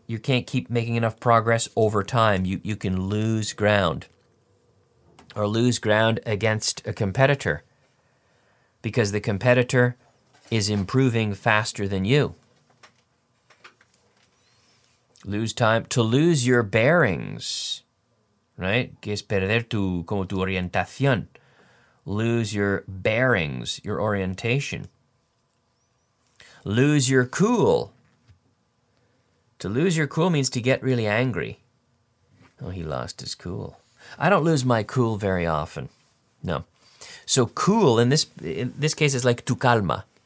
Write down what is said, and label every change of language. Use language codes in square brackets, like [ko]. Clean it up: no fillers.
[en] You can't keep making enough progress over time. You can lose ground. Or lose ground against a competitor. Because the competitor is improving faster than you. Lose time. To lose your bearings, right? [es] Que es perder tu, como tu orientación. [en] Lose your bearings, your orientation. Lose your cool. To lose your cool means to get really angry. Oh, he lost his cool. I don't lose my cool very often. No. So cool, in this case, is like [es] tu calma.